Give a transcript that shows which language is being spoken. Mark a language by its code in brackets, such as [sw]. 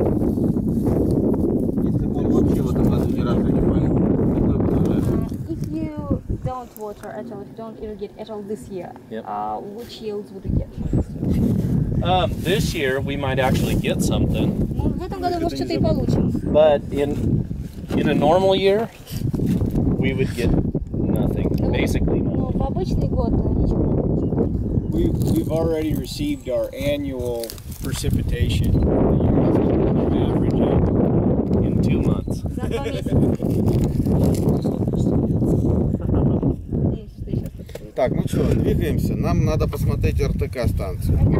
[ru] Если бы он вообще в этом году ни разу не полил, какой бы он был? [en] If you don't water at all, if you don't irrigate at all this year, which yields would you get? This year we might actually get something. [ru] В этом году может что-то и получим. [en] But in a normal year we would get nothing, basically. [ru] Ну, в обычный год ничего не получим. [en] We've already received our annual precipitation average in 2 months. [ru] Так, ну что, двигаемся. Нам надо посмотреть РТК станцию.